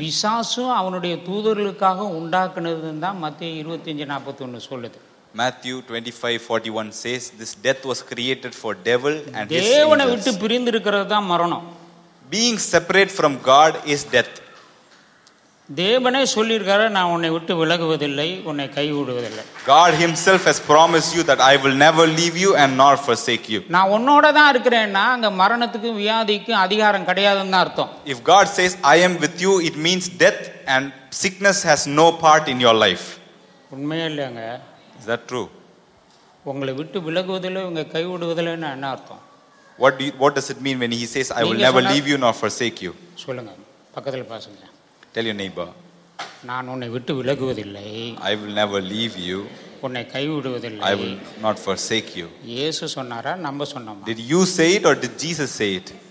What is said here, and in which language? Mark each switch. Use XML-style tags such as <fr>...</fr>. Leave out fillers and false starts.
<ta>பிசாசு அவனுடைய தூதர்களுக்காக உண்டாக்குனதுதான் மத்தேயு 25:41 சொல்லுது.</ta> <en>Matthew 25:41 says this death was created for devil and his angels.</en> <ta>தேவனை விட்டு பிரிந்து இருக்கிறது தான் மரணம்.</ta> <en>Being separate from God is death.</en> <ta>தேவனே சொல்லியிருக்கார், நான் உன்னை விட்டு விலகுவதில்லை, உன்னை கைவிடுவதில்லை.</ta> <en>God himself has promised you that I will never leave you and nor forsake you.</en> <ta>நான் உன்னோட தான் இருக்கறேன்னா அங்க மரணத்துக்கு வியாதிக்கு அதிகாரம் கிடையாதுன்னு அர்த்தம்.</ta> <en>If God says I am with you, it means death and sickness has no part in your life.</en> <ta>உண்மையா இல்லங்க?</ta> <en>Is that true?</en> <ta>உங்களை விட்டு விலகுவதில்லை, உங்களை கைவிடுவதில்லைன்னா என்ன அர்த்தம்?</ta> <en>What does it mean when he says I will never leave you nor forsake you?</en> <ta>சொல்லுங்க, பக்கத்துல பாருங்க.</ta> <en>Tell your neighbor,</en> <ta>நான் உன்னை விட்டு விலகுவதில்லை.</ta> <en>I will never leave you.</en> <ta>உன்னை கைவிடுவதில்லை.</ta> <en>I will not forsake you.</en> <ta>இயேசு சொன்னாரா, நம்ம சொன்னோமா?</ta> <en>Did you say it or did Jesus say it?</en>